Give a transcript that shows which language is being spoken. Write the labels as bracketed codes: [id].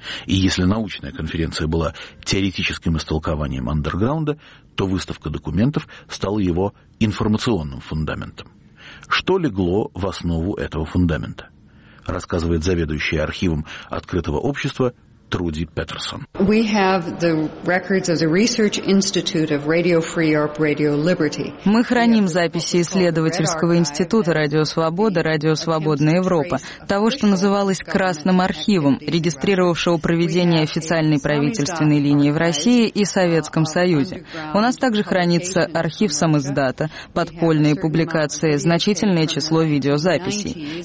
[ru] И если научная конференция была теоретическим истолкованием андерграунда, то выставка документов стала его информационным фундаментом. Что легло в основу этого фундамента? Рассказывает заведующая архивом открытого общества Труди Петерсон. [en] We have the records of the Research Institute of Radio Free Europe, Radio Liberty. [ru] Мы храним записи исследовательского института Радио Свобода, Радио Свободная Европа, того, что называлось Красным архивом, регистрировавшего проведение официальной правительственной линии в России и Советском Союзе. У нас также хранится архив самиздата, подпольные публикации, значительное число видеозаписей.